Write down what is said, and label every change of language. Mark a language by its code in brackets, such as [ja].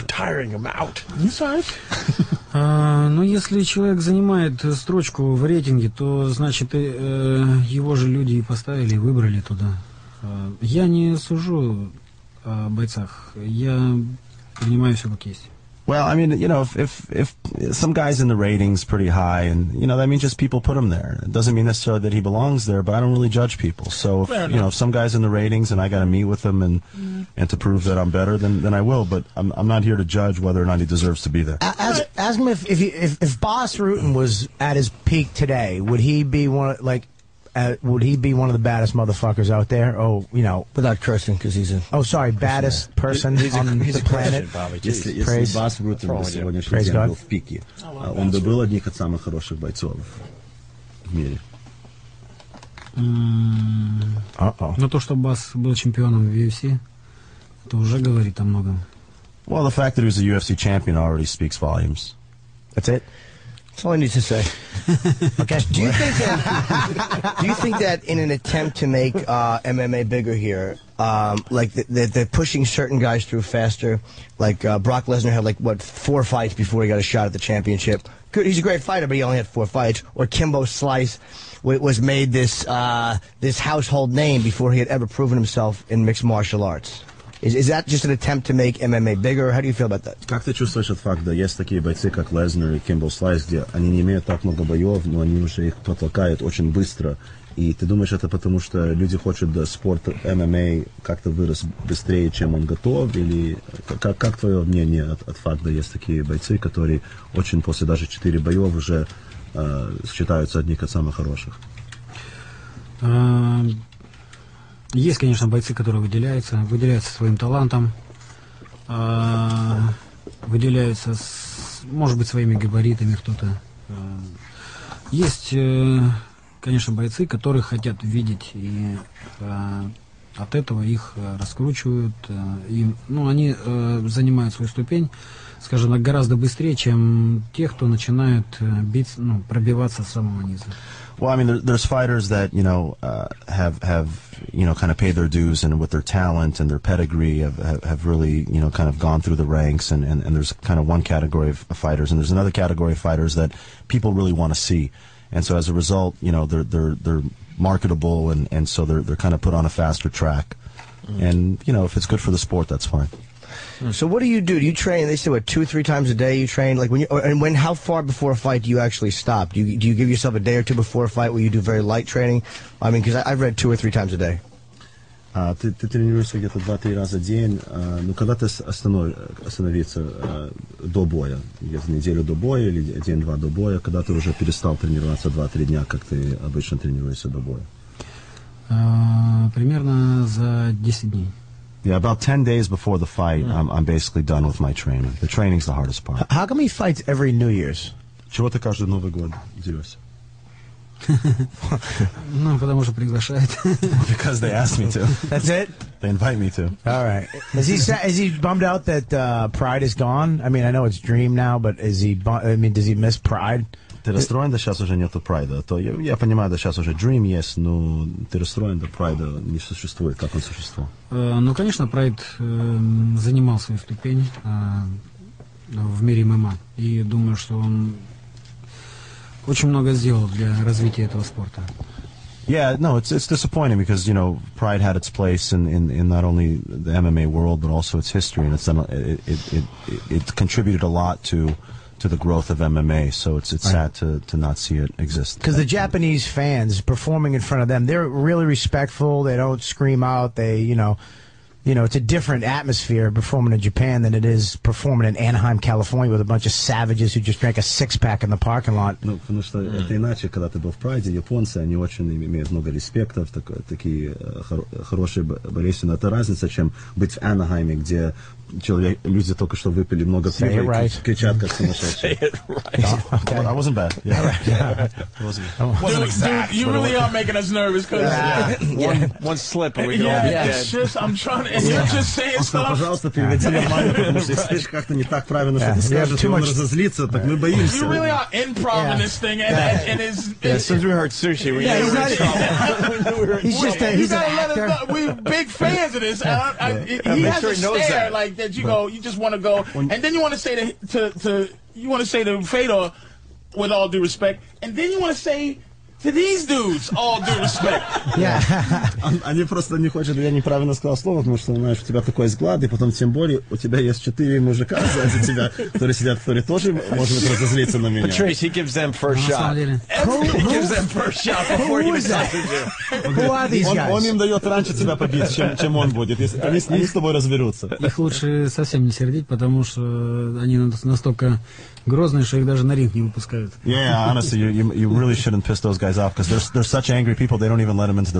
[en] You're tiring him out. [ru] Ну, если человек занимает строчку в рейтинге, то значит его же люди и поставили, выбрали туда. Я не сужу о бойцах, я принимаю все как есть. [en] Well, I mean, you know, if some guy's in the ratings pretty high, and, you know, that means just people put him there. It doesn't mean necessarily that he belongs there, but I don't really judge people. So, if some guy's in the ratings and I got to meet with him and to prove that I'm better, then I will. But I'm not here to judge whether or not he deserves to be there. Ask him if Boss Rutan was at his peak today, would he be one of the baddest motherfuckers out there? Oh, you know, without cursing, because he's a baddest man. Person he's on a, he's the planet. Praise Boss Rutan. Praise God. [ru] Он бы был одним из самых хороших бойцов в мире. Но то, что Бас был чемпионом в UFC, это уже говорит о многом. [en] Well, the fact that he was a UFC champion already speaks volumes. That's it? That's all I need to say. Okay. Do you think that in an attempt to make MMA bigger here, like they're pushing certain guys through faster, like Brock Lesnar had like, what, four fights before he got a shot at the championship? Good, he's a great fighter, but he only had four fights. Or Kimbo Slice was made this this household name before he had ever proven himself in mixed martial arts. Is that just an attempt to make MMA bigger? How do you feel about that? [ru] Как ты чувствуешь этот факт, да, есть такие бойцы, как Лезнер и Кимбл Слайс, где они не имеют так много боев, но они уже их потолкают очень быстро. И ты думаешь, это потому что люди хотят, да, спорт MMA как-то вырос быстрее, чем он готов? Или как твое мнение от факта, есть такие бойцы, которые очень после даже 4 боев уже считаются одни из самых хороших? Есть, конечно, бойцы, которые выделяются своим талантом, выделяются, может быть, своими габаритами кто-то. Есть, конечно, бойцы, которые хотят видеть, и от этого их раскручивают. Они занимают свою ступень, скажем так, гораздо быстрее, чем те, кто начинает пробиваться с самого низа. [en] Well, I mean, there's fighters that, you know, have you know, kind of paid their dues, and with their talent and their pedigree have really, you know, kind of gone through the ranks, and there's kind of one category of fighters, and there's another category of fighters that people really want to see. And so as a result, you know, they're marketable, and so they're kind of put on a faster track. Mm. And, you know, if it's good for the sport, that's fine. So what do? You train, they say, what, 2-3 times a day you train? Like how far before a fight do you actually stop? Do you give yourself a day or two before a fight where you do very light training? I mean, because I've read 2 or 3 times a day. [ru] Ты тренируешься где-то 2-3 раза в день. Ну, когда ты остановиться до боя? Где-то неделю до боя или день-два до боя? Когда ты уже перестал тренироваться 2-3 дня, как ты обычно тренируешься до боя? Примерно за 10 дней. [en] Yeah, about 10 days before the fight, I'm basically done with my training. The training's the hardest part. How come he fights every New Year's? [ru] Чего ты каждый Новый год делаешь? Ну, потому что приглашают. [en] Because they asked me to. That's it? They invite me to. All right. Is he bummed out that Pride is gone? I mean, I know it's Dream now, but does he miss Pride? [ru] Ты расстроен, да сейчас уже нету Прайда? То я понимаю, да сейчас уже Dream есть, но ты расстроен, да Прайда не существует, как он существовал? Ну, конечно, Прайд занимал свою ступень в мире ММА. И думаю, что он очень много сделал для развития этого спорта. [en] Yeah, no, it's disappointing because, you know, Pride had its place in not only the MMA world, but also its history. And it contributed a lot to the growth of MMA, so it's right. Sad to not see it exist. Because the Japanese fans performing in front of them, they're really respectful. They don't scream out. They, you know, it's a different atmosphere performing in Japan than it is performing in Anaheim, California, with a bunch of savages who just drank a six pack in the parking lot. No, [ru] потому что это иначе, когда ты был в Прайде, японцы, они очень имеют много респектов, такие хорошие болельщики. Но это разница, чем быть в Анахайме, где люди только что выпили много пива и кричат, как сумасшедшие. [en] Say it right. That wasn't bad. Wasn't exact. Dude, you really are making us nervous. One slip and we go. Yeah. I'm trying to... And you're just saying stuff. [ru] Пожалуйста, переведи нормально, потому что если ты как-то не так правильно, что ты скажешь, он разозлится, так мы боимся. [en] You really are improv in this thing. And since we heard sushi, we were in trouble. He's just a actor. We're big fans of this. He has a stare, like, that you go, you just want to go, and then you want to say to you want to say to Fedor, with all due respect, and then you want to say to these dudes, all due respect. Yeah. [ru] Они просто не хотят, я неправильно сказал слово, потому что знаешь, у тебя такой взгляд, и потом тем более у тебя есть 4 мужика сзади тебя, которые сидят, которые тоже могут разозлиться на меня. [en] Patrice, he gives them first shot. He gives them first shot before he decides. Who are these guys? [ru] Он им дает раньше тебя побить, чем он будет. Они с ним с тобой разберутся. Их лучше совсем не сердить, потому что они настолько грозные, что их даже на ринг не выпускают. [en] Yeah, honestly, you really shouldn't piss those guys off, because they're such angry people, they don't even let them into the